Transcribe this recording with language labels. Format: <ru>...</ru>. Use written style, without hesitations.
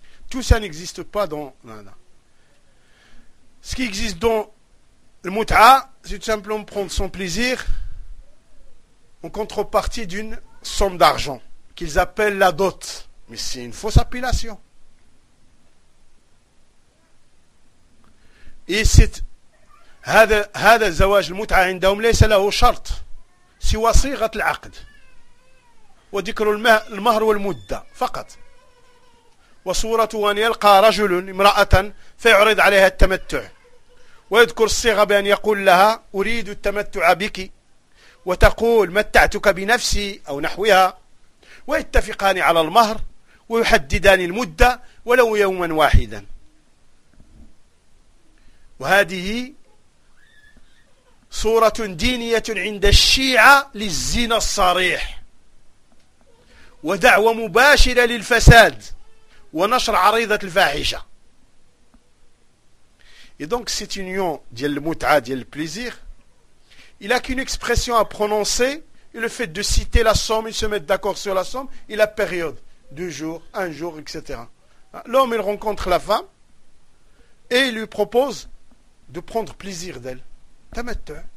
<fr>Tout ça n'existe pas dans... Non, non. Ce qui existe dans le mut'a, c'est tout simplement prendre son plaisir en contrepartie d'une somme d'argent qu'ils appellent la dot. Mais c'est une fausse appellation. Et c'est...</fr> <ar>هذا الزواج المتعة عندهم ليس له شرط سوى صيغة العقد وذكر المهر والمدة فقط وصورته أن يلقى رجل امرأة فيعرض عليها التمتع ويذكر الصيغة بأن يقول لها أريد التمتع بك وتقول متعتك بنفسي أو نحوها ويتفقان على المهر ويحددان المدة ولو يوما واحدا. وهذه صورة دينية عند الشيعة للزنا الصريح، ودعوة مباشرة للفساد ونشر عريضة الفاحشة.</ar> <fr>Et donc c'est une union de la muta, de le plaisir. Il a qu'une expression à prononcer, et le fait de citer la somme, ils se mettent d'accord sur la somme, et la période, deux jours, un jour, etc. L'homme, il rencontre la femme, et il lui propose de prendre plaisir d'elle. Tamattu.</fr>